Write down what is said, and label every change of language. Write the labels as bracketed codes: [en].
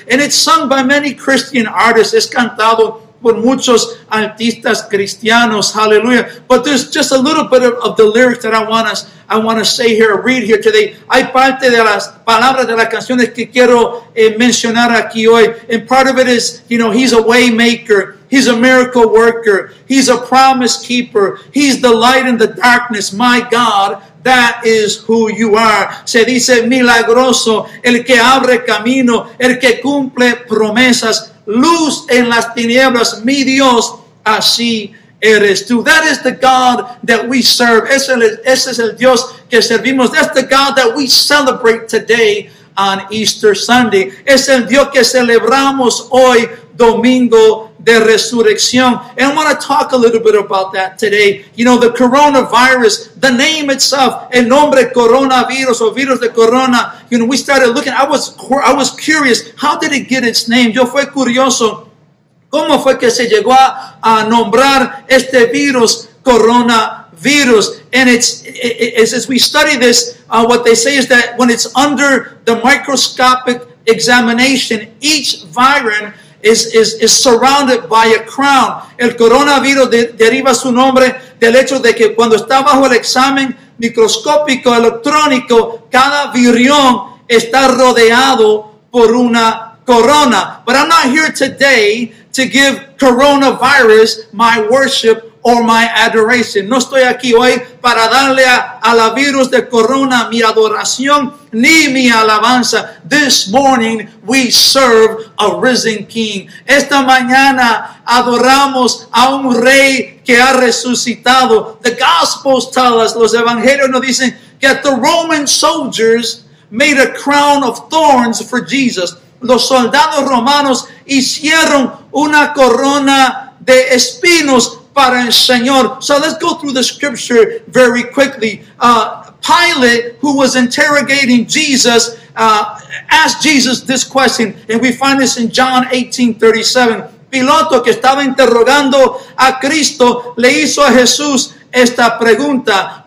[en] And it's sung by many Christian artists. [es] Es cantado por muchos artistas cristianos. [en] Hallelujah. But there's just a little bit of the lyrics that I want to say here, read here today. [es] Hay parte de las palabras de las canciones que quiero mencionar aquí hoy. [en] And part of it is, you know, he's a way maker. He's a miracle worker. He's a promise keeper. He's the light in the darkness. My God, that is who you are. [es] Se dice milagroso, el que abre camino, el que cumple promesas, luz en las tinieblas, mi Dios, así eres tú. [en] That is the God that we serve. [es] Ese es el Dios que servimos. [en] That's the God that we celebrate today on Easter Sunday. [es] Es el Dios que celebramos hoy, domingo de resurrección. [en] And I want to talk a little bit about that today. You know, the coronavirus, the name itself, [es] el nombre coronavirus o virus de corona. [en] You know, we started looking. I was curious. How did it get its name? [es] Yo fue curioso. ¿Cómo fue que se llegó a nombrar este virus coronavirus? [en] And as we study this, what they say is that when it's under the microscopic examination, each virus is surrounded by a crown. [es] El coronavirus deriva su nombre del hecho de que cuando está bajo el examen microscópico electrónico, cada virión está rodeado por una corona. [en] But I'm not here today to give coronavirus my worship or my adoration. [es] No estoy aquí hoy para darle a la virus de corona mi adoración ni mi alabanza. [en] This morning we serve a risen king. [es] Esta mañana adoramos a un rey que ha resucitado. [en] The gospels tell us, [es] los evangelios nos dicen, [en] that the Roman soldiers made a crown of thorns for Jesus. [es] Los soldados romanos hicieron una corona de espinos para el Señor. [en] So let's go through the scripture very quickly. Pilate, who was interrogating Jesus, asked Jesus this question. And we find this in John 18:37. [es] Piloto, que estaba interrogando a Cristo, le hizo a Jesús esta pregunta.